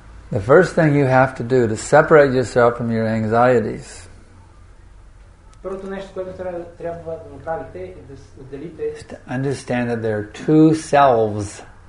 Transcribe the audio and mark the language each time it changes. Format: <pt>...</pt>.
<en>The first thing you have to do to separate yourself from your anxieties.</en> <bg>Първото нещо, което трябва да направите, е да отделите.</bg> <en>To understand that there are two selves.</en>